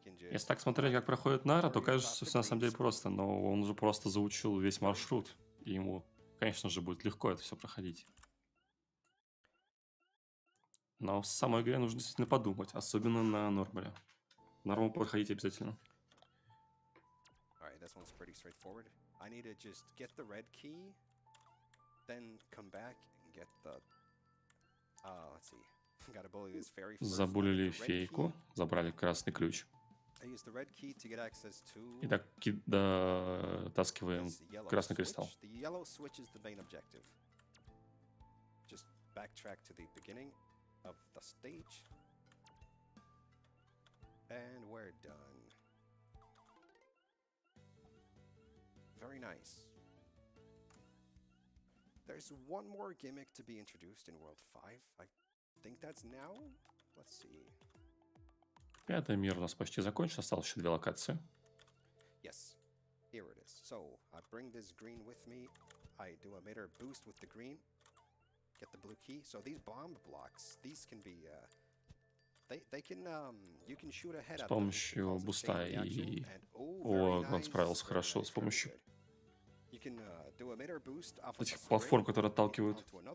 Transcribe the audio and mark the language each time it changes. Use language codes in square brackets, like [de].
[ru] Если так смотреть, как проходит наро, то кажется, что все на самом деле просто. Но он уже просто заучил весь маршрут. И ему, конечно же, будет легко это все проходить. Но в самой игре нужно действительно подумать. Особенно на нормале. Норму проходить обязательно. [en] This one's pretty straightforward. I need to just get the red key, then come back and get the. Let's see. Got to bully this fairy. [ru] Забулили фейку, забрали красный ключ. [en] I use the red key to get access to. [ru] И так дотаскиваем красный кристалл. [en] The yellow switch is the main objective. Just backtrack to the beginning of the stage, and we're done. Very nice. There's one more gimmick to be introduced in World 5. I think that's now. Let's see. [ru] Пятый мир у нас почти закончен, осталось еще две локации. [en] Yes. Here it is. So, I bring this green with me. I do a meter boost with the green. Get the blue key. So these bomb blocks, these can be they can you can shoot ahead [ru] of. С помощью буста и он справился хорошо с помощью этих платформ, которые отталкивают.